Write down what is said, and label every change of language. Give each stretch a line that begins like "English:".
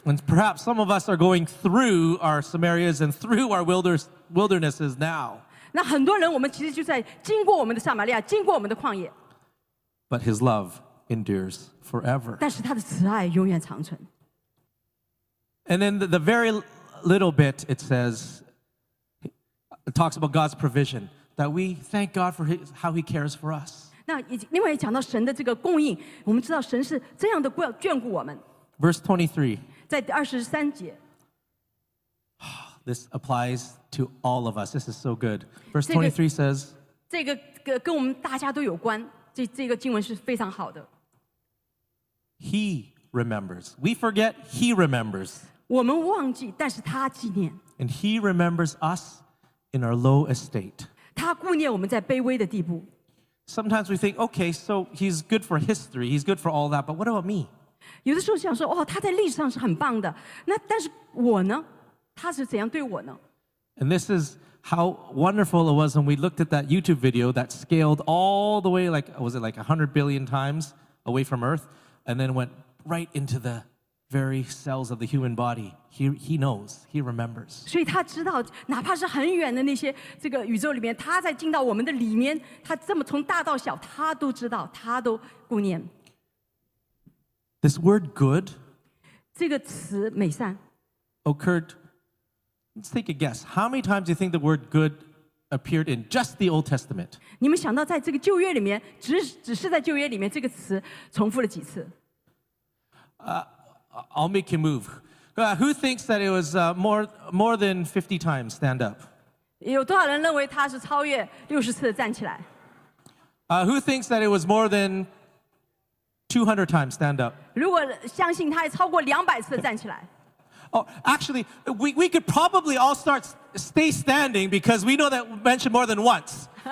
English: And perhaps some of us are going through our Samarias and through our wildernesses now.
Chinese: 那很多人，我们其实就在经过我们的撒玛利亚，经过我们的旷野。
English: But his love endures forever.
Chinese: 但是他的慈爱永远长存。
English: And then the very little bit, it says, it talks about God's provision, that we thank God for his, how he cares for us.
Chinese: 那另外也讲到神的这个供应, 我们知道神是这样的眷顾我们。
English: Verse
Chinese: 23节。
English: This applies to all of us. This is so good. Verse 23 says,
Chinese: 这个跟我们大家都有关, 这个经文是非常好的。
English: He remembers. We forget, he remembers.
Chinese: 我们忘记, 但是他纪念。
English: And he remembers us in our low estate.
Chinese: 他顾念我们在卑微的地步。
English: Sometimes we think, okay, so he's good for history, he's good for all that, but what about me?
Chinese: 有的时候想说, 哦, 他在历史上是很棒的, 那, 但是我呢? 他是怎样对我呢?
English: And this is how wonderful it was when we looked at that YouTube video that scaled all the way, like, was it like 100 billion times away from Earth, and then went right into the very cells of the human body. He knows, he remembers.
Chinese: 所以他知道, 哪怕是很远的那些, 这个宇宙里面, 他在进到我们的里面, 他这么从大到小, 他都知道, 他都顾念。
English: This word good,
Chinese: 这个词美善,
English: occurred, let's take a guess. How many times do you think the word good appeared in just the Old Testament?
Chinese: 你们想到在这个旧约里面, 只是在旧约里面, 这个词重复了几次?
English: I'll make you move. Who thinks that it was more than 50 times? Stand up.
Chinese: 有多少人认为它是超越60次的站起来?
English: Who thinks that it was more than 200 times? Stand up.
Chinese: 如果相信它超过200次的站起来?
English: Oh, actually, we could probably all start stay standing because we know that mentioned more than once.